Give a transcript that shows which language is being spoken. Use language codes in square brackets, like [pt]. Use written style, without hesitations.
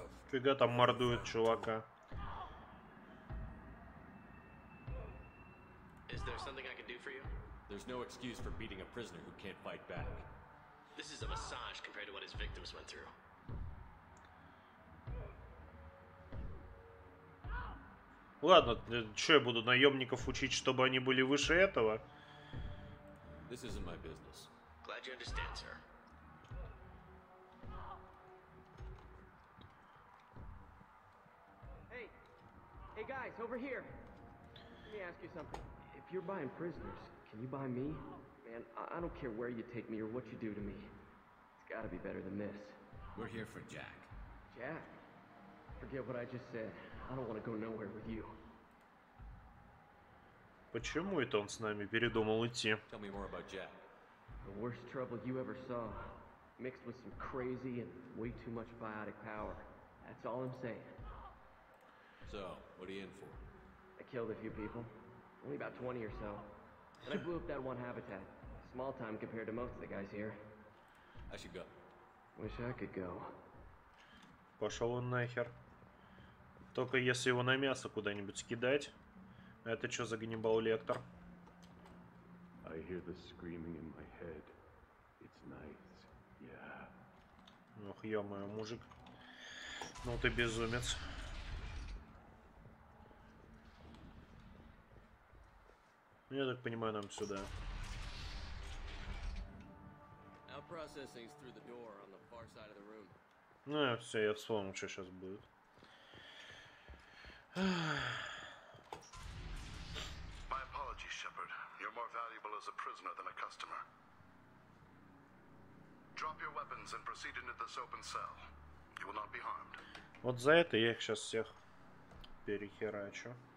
[ru] Фига там мордует чувака. [en] Is there something I can do for you? There's no excuse for beating a prisoner who can't fight back. This is a massage compared to what his victims went through. [ru] Ладно, что я буду наемников учить, чтобы они были выше этого? [en] This isn't my business. Glad you understand, sir. Hey! Hey, guys, over here! Let me ask you something. If you're buying prisoners, can you buy me? Man, I don't care where you take me or what you do to me. Gotta be better than this. We're here for Jack. Jack? Forget what I just said. I don't want to go nowhere with you. [ru] Почему это он с нами передумал идти? [en] Tell me more about Jack. The worst trouble you ever saw, mixed with some crazy and way too much biotic power. That's all I'm saying. So, what are you in for? I killed a few people. Only about 20 or so. And I blew up that one habitat. Small time compared to most of the guys here. I should go. Wish I could go. [ru] Пошел он нахер. Только если его на мясо куда-нибудь скидать. Это что за Ганнибал Лектор? [en] I hear the screaming in my head. It's nice. Yeah. [ru] Ох, ё-моё, мужик. Ну ты безумец. Я так понимаю, нам сюда. [en] Our processing is through the door on the far side of the room. [ru] Ну, все, я вспомнил, что сейчас будет. [en] My apologies, Shepard. You're more valuable as a prisoner than a customer. Drop your weapons and proceed into this open cell. You will not be harmed. [ru] Вот за это я их сейчас всех перехерачу.